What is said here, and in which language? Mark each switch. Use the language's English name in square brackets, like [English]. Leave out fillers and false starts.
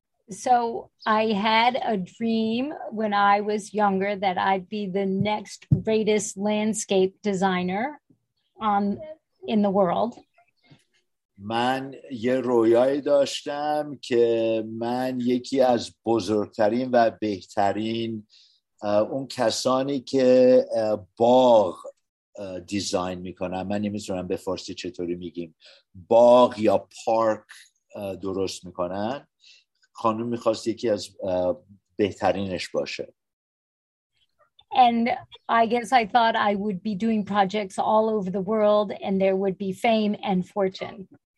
[English] So I had a dream when I was younger that I'd be the next greatest landscape designer in the world. [Persian] من یه رویایی داشتم که من یکی از بزرگترین و بهترین اون کسانی که باغ دیزاین میکنن، من نمیتونم به فارسی چطوری میگیم، باغ یا پارک درست میکنن، خانم میخواست یکی از بهترینش باشه. [English] And I guess I thought I would be doing projects all over the world and there would be fame and fortune.